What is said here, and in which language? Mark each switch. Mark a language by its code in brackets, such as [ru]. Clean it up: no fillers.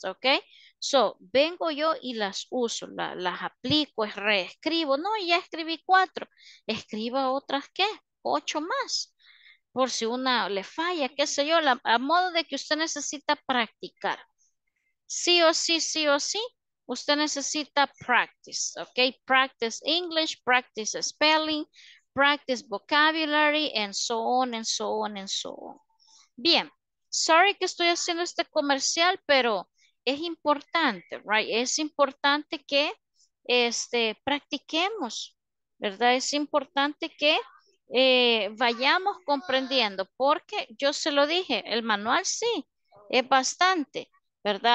[es] Okay, so vengo yo y las uso, las aplico, reescribo. No, ya escribí cuatro. Escriba otras, ¿qué? Ocho más. Por si una le falla, qué sé yo, a modo de que usted necesita practicar. Sí o sí, sí o sí. Usted necesita practice, ¿ok? [en] Practice English, practice spelling, practice vocabulary, and so on, and so on, and so on. [es] Bien, sorry que estoy haciendo este comercial, pero es importante, right? Es importante que practiquemos, ¿verdad? Es importante que vayamos comprendiendo, porque yo se lo dije, el manual sí, es bastante. ¿Verdad?